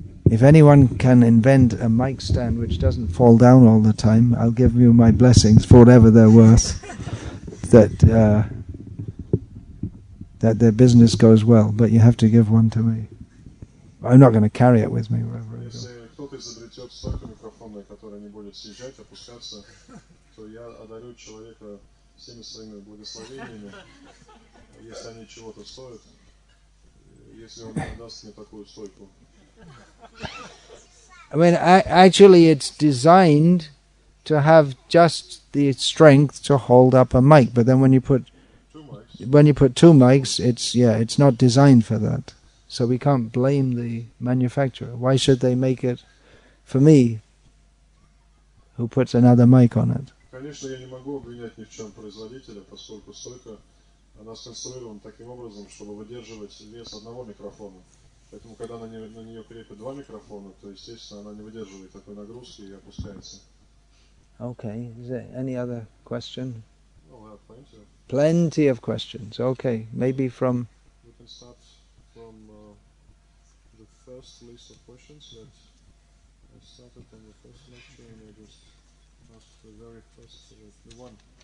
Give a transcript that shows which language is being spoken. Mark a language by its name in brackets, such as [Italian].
[English] If anyone can invent a mic stand which doesn't fall down all the time, I'll give you my blessings for whatever they're worth, that their business goes well, but you have to give one to me. I'm not going to carry it with me wherever I go. [Russian] изобретет столько микрофонов, которые не будут съезжать, опускаться, то я одарю человека всеми своими благословениями, если они чего-то стоят, если он даст мне такую стойку. [English] I mean, actually, it's designed to have just the strength to hold up a mic. But then, when you put two mics, it's not designed for that. So we can't blame the manufacturer. Why should they make it for me, who puts another mic on it? [Russian] Конечно, я не могу обвинять ни в чем производителя, поскольку стойка она сконструирована таким образом, чтобы выдерживать вес одного микрофона. Поэтому, когда на нее крепят два микрофона, то, естественно, она не выдерживает такой нагрузки и опускается. [English] Okay. Is there any other question? Oh, well, plenty. Plenty of questions. Okay. Maybe from... We can start from the first list of questions that I started from the first lecture, and I just asked the very first the one.